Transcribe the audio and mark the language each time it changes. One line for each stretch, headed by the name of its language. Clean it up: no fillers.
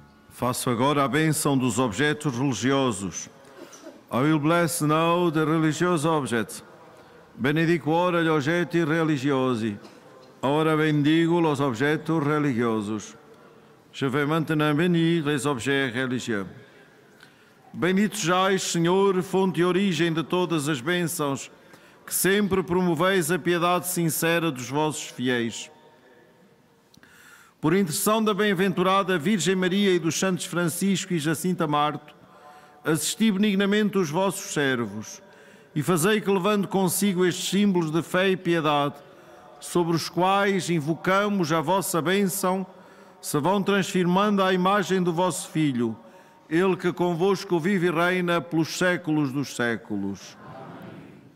Portuguese: Faço agora a bênção dos objetos religiosos.
English: I will bless now the religious objects.
Italian: Benedico ora gli oggetti religiosi.
Spanish: Ora bendigo los objetos religiosos.
French: Je vais maintenant bénir les objets religieux.
Portuguese: Bendito sois, Senhor, fonte e origem de todas as bênçãos, que sempre promoveis a piedade sincera dos vossos fiéis. Por intercessão da bem-aventurada Virgem Maria e dos Santos Francisco e Jacinta Marto, assisti benignamente os vossos servos e fazei que, levando consigo estes símbolos de fé e piedade, sobre os quais invocamos a vossa bênção, se vão transformando à imagem do vosso Filho, Ele que convosco vive e reina pelos séculos dos séculos. Amém.